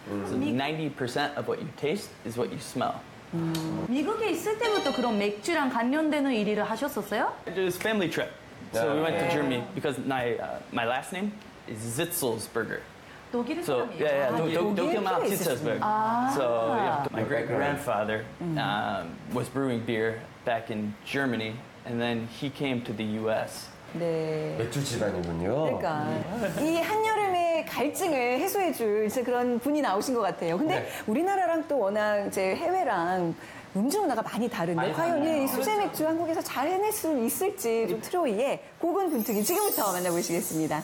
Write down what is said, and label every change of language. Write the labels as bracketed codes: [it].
[en] So 90% of what you taste is what you smell. [ko] 미국에 있을 때부터 그런 맥주랑 관련되는 일을 하셨었어요? [en] It's family trip. So we went to Germany because my last name is Zitzelsberger. [ko] 독일 [en] so, [ko] 사람이에요? [en] Yeah, yeah. [ko] 독일만 [en] Zitzelsberg. So, yeah. My great-grandfather was brewing beer back in Germany, and then he came to the U.S. [ko] 네. 맥주 집안이군요. 그러니까. 이 한여름의 갈증을 해소해줄 이제 그런 분이 나오신 것 같아요. 근데 네. 우리나라랑 또 워낙 이제 해외랑 음주 문화가 많이 다른데 많이 과연 달라요. 이 수제 맥주 그렇죠. 한국에서 잘 해낼 수 있을지 좀 트로이의 고군분투기 지금부터 만나보시겠습니다.